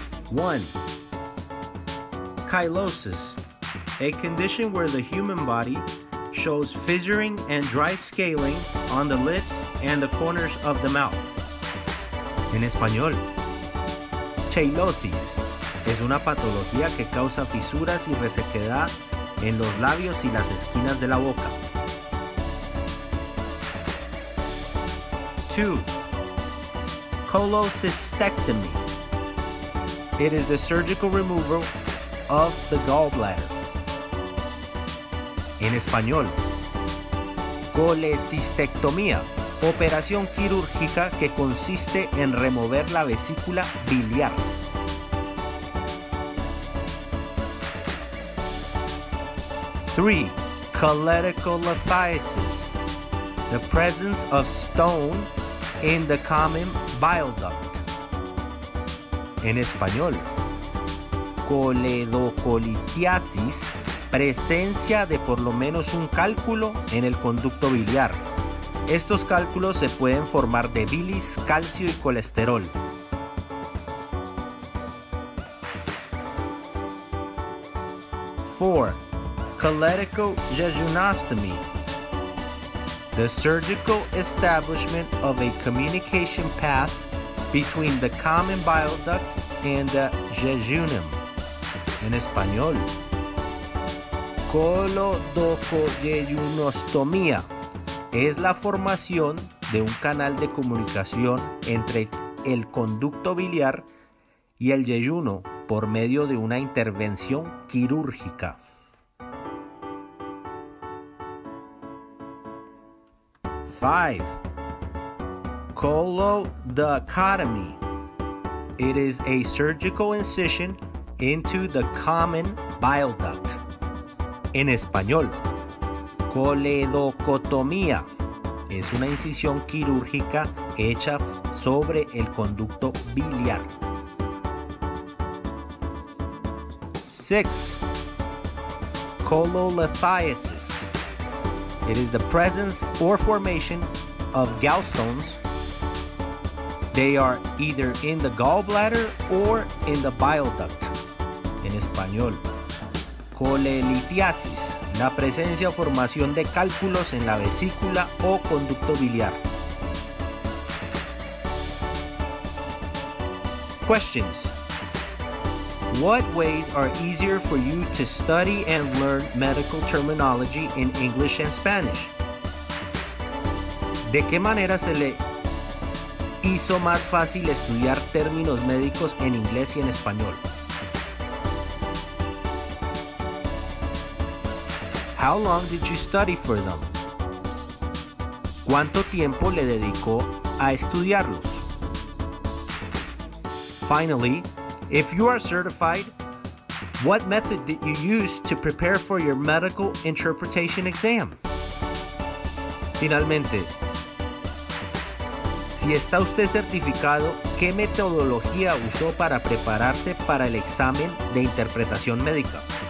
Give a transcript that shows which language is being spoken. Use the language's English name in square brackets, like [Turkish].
[English] 1. Chylosis. A condition where the human body shows fissuring and dry scaling on the lips and the corners of the mouth. [Spanish] En español, chelosis es una patología que causa fisuras y resequedad en los labios y las esquinas de la boca. [English] 2. Cholecystectomy. It is the surgical removal of the gallbladder. [Spanish] En español, colecistectomía, operación quirúrgica que consiste en remover la vesícula biliar. 3. [English] Choledocolithiasis, the presence of stone in the common bile duct. [Spanish] En español, Choledocolitiasis, presencia de por lo menos un cálculo en el conducto biliar. Estos cálculos se pueden formar de bilis, calcio y colesterol. [English] 4. Choledochojejunostomy. The surgical establishment of a communication path between the common bile duct and the jejunum. [Spanish] En español, coledocolitiasis es la formación de un canal de comunicación entre el conducto biliar y el yeyuno por medio de una intervención quirúrgica. [English] 5. Choledochotomy. It is a surgical incision into the common bile duct. [Spanish] En español, coledocotomía es una incisión quirúrgica hecha sobre el conducto biliar. [English] 6. Cholelithiasis. It is the presence or formation of gallstones. They are either in the gallbladder or in the bile duct. [Spanish] En español, Cholelithiasis, la presencia o formación de cálculos en la vesícula o conducto biliar. [English] Questions. What ways are easier for you to study and learn medical terminology in English and Spanish? [Spanish] ¿De qué manera se le hizo más fácil estudiar términos médicos en inglés y en español? [English] How long did you study for them? ¿Cuánto tiempo le dedicó a estudiarlos? Finally, if you are certified, what method did you use to prepare for your medical interpretation exam? Finalmente, [Spanish] Si está usted certificado, ¿qué metodología usó para prepararse para el examen de interpretación médica?